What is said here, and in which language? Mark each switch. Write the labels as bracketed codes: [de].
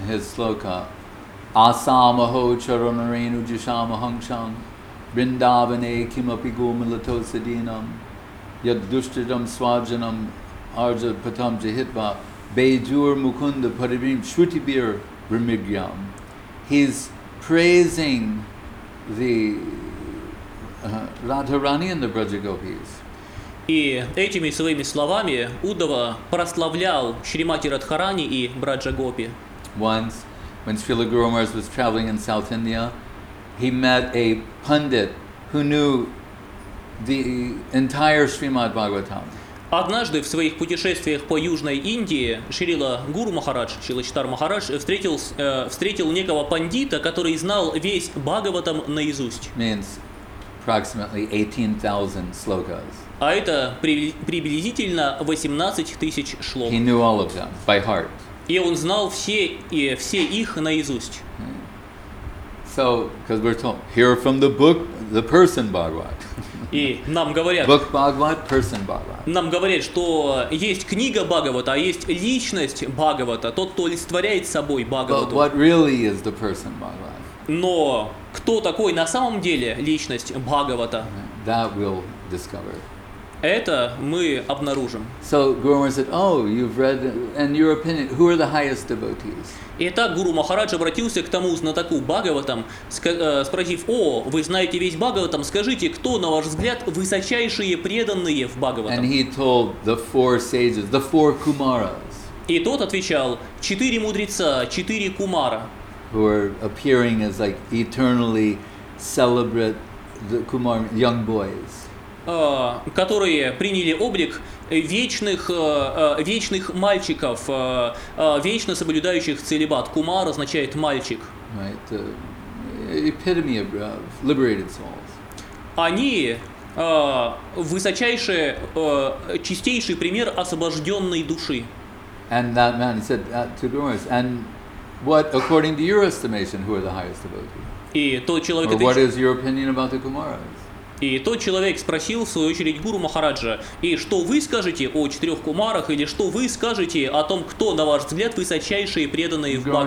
[sa] His sloka Asamaho charanarenu jishamahangshan Vrindavane kimapi gomilato sadinam yaddushtidam swajanam arja patam jahitva Bejur Mukunda Paribim Shrutibir Ramigyam. [en] He's praising the Radharani and the Brajagopis. [ru] И этими своими словами Уддава прославлял Шримати Радхарани и Браджагопи. [en] Once, when Srila Guru Maharaj was traveling in South India, he met a pundit who knew the entire Srimad Bhagavatam. [ru] Однажды в своих путешествиях по Южной Индии Шрила Гуру Махарадж, Шрила Читар Махарадж, встретил некого пандита, который знал весь Бхагаватам наизусть. [en] Means approximately 18,000 slokas. [ru] А это приблизительно 18 тысяч шлок. [en] He knew all of them by heart. [ru] И он знал все их наизусть. [en] So, because we're told, hear from the book, the person Bhagavat. [ru] И нам говорят, [en] Book Bhagavat, person Bhagavat. [ru] Нам говорят, что есть книга Бхагавата, а есть личность Бхагавата, тот, кто олицетворяет собой Бхагавату. [en] But what really is the person Bhagavat? [ru] Но кто такой на самом деле личность Бхагавата? [en] That we'll discover. [ru] Это мы обнаружим. [en] So Guru Maharaj said, oh, you've read, and your opinion, who are the highest devotees? [ru] Итак, Гуру Махарадж обратился к тому знатоку Бхагаватам, спросив, о, вы знаете весь Бхагаватам, скажите, кто, на ваш взгляд, высочайшие преданные в Бхагаватам? [en] And he told the four sages, the four kumaras. [ru] И тот отвечал, четыре мудреца, четыре кумара. [en] Who are appearing as like eternally celebrate the kumar, young boys. [ru] Которые приняли облик вечных мальчиков, вечно соблюдающих целибат. Кумар означает мальчик. [en] Right, epitome of liberated souls. [ru] Они высочайший, чистейший пример освобожденной души. [en] And that man said to Guru Maharaj, and what, according to your estimation, who are the highest devotees? [ru] И тот человек, [en] or what is your opinion about the Kumaras? [ru] И тот человек спросил, в свою очередь, Гуру Махараджа, и что вы скажете о четырех кумарах, или что вы скажете о том, кто, на ваш взгляд, высочайшие преданные в